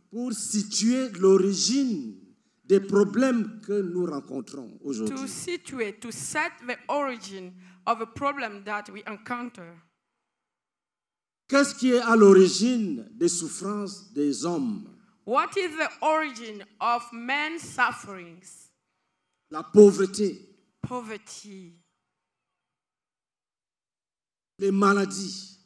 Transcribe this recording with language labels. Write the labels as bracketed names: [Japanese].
[French] pour situer l'origine des problèmes que nous rencontrons aujourd'hui. [English] To set the origin of a problem that we encounter. [French] Qu'est-ce qui est à l'origine des souffrances des hommes? [English] What is the origin of men's sufferings? [French] La pauvreté. [English] Poverty. [French] Les maladies.